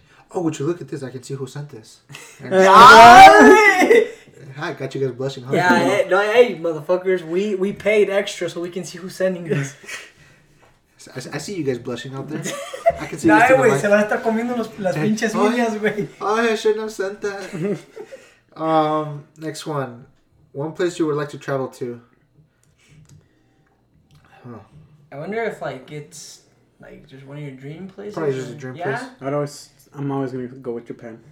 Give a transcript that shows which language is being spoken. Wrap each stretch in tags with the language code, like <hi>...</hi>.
<en>Oh, would you look at this? I can see who sent this. Yeah. I got you guys a blessing. Huh? Yeah, hey, no, hey, motherfuckers, we paid extra so we can see who's sending this. I see you guys blushing out there. I can see.</en> <es>Nah, güey, se la está comiendo los, las pinches uñas, güey.</es> <en>Oh, I shouldn't have sent that. Next one. One place you would like to travel to. Huh. I wonder if, like, it's, like, just one of your dream places. Probably just a dream place. Yeah? I'm always going to go with Japan.</en>